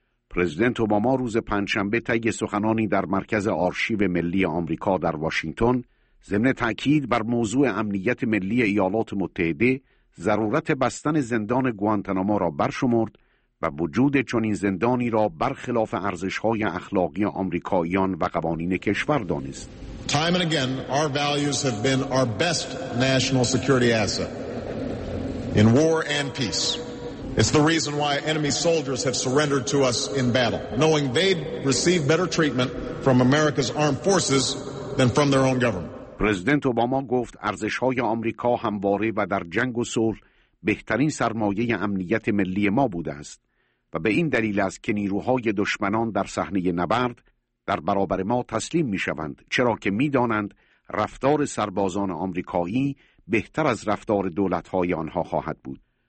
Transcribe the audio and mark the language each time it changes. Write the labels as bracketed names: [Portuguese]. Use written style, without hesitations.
[Persian] پرزیدنت اوباما روز پنجشنبه طی سخنانی در مرکز آرشیو ملی آمریکا در واشنگتن ضمن تأکید بر موضوع امنیت ملی ایالات متحده ضرورت بستن زندان گوانتانامو را برشمرد و وجود چنین زندانی را برخلاف ارزش‌های اخلاقی آمریکاییان و قوانین کشور دانست. [English] Time and again, our values have been our best national security asset in war and peace. It's the reason why enemy soldiers have surrendered to us in battle, knowing they'd receive better treatment from America's armed forces than from their own government. [Persian] پرزیدنت اوباما گفت ارزش‌های آمریکا همواره و در جنگ و صلح بهترین سرمایه امنیت ملی ما بوده است و به این دلیل است که نیروهای دشمنان در صحنه نبرد در برابر ما تسلیم می شوند، چرا که می دانند رفتار سربازان آمریکایی بهتر از رفتار دولت‌های آنها خواهد بود.